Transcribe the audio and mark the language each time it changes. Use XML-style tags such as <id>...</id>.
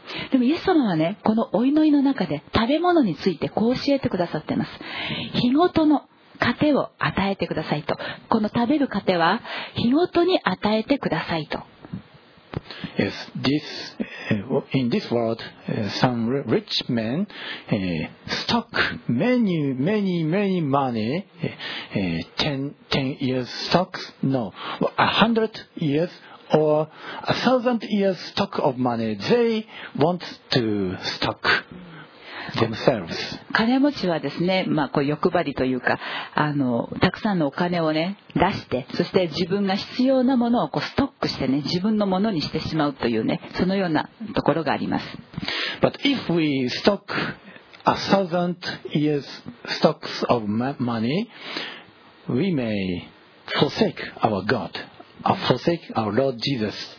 <ja>でもイエス様はね、このお祈りの中で食べ物についてこう教えてくださっています。日ごとの糧を与えてくださいと。この食べる糧は日ごとに与えてくださいと。</ja> <en>Yes, this, in this world, some rich men stock many, many, many money, 10 years stocks, no, 100 years or 1,000 years stock of money, they want to stock. Themselves.</en> <ja>金持ちはですね、こう欲張りというか、たくさんのお金をね出して、そして自分が必要なものをこうストックしてね、自分のものにしてしまうというね、そのようなところがあります。</ja> <en>But if we stock 1,000 years stocks of money, we may forsake our God, or forsake our Lord Jesus.</en>